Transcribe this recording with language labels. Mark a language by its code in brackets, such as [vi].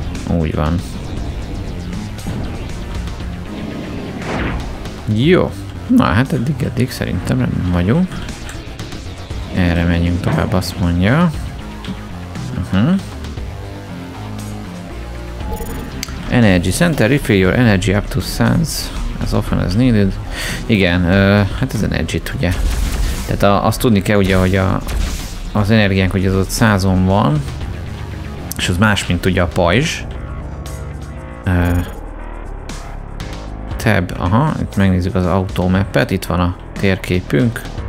[hu] Úgy van. Jó. Na hát eddig szerintem rendben vagyunk. Erre menjünk tovább, azt mondja. [en] Energy center, refill your energy up to sands as often as needed. [hu] Igen, hát ez energy-t ugye. Tehát azt tudni kell ugye, hogy az energiánk, hogy az ott 100-on van, és az más, mint ugye a pajzs. Tab, aha, itt megnézzük az automap-et, itt van a térképünk.